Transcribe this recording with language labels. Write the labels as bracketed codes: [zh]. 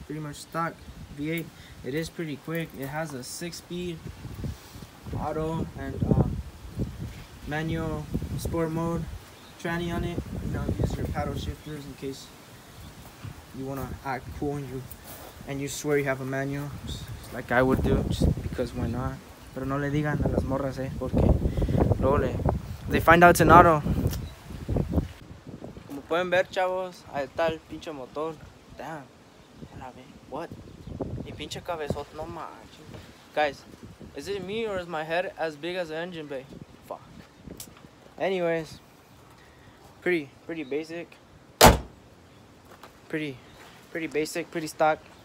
[en] Pretty much stock V8. It is pretty quick. It has a 6-speed auto and manual sport mode tranny on it. Now use your paddle shifters in case you wanna act cool and you swear you have a manual, just like I would do, just because why not? [es] Pero no le digan a las morras, porque luego le. [en] They find out it's an auto. [es] Como pueden ver, chavos, ahí está el pinche motor. [en] Damn. What? [es] Y pinche cabezote, no manches. [en] Guys, is it me or is my head as big as the engine bay? Fuck. Anyways, pretty basic. Pretty basic, pretty stock.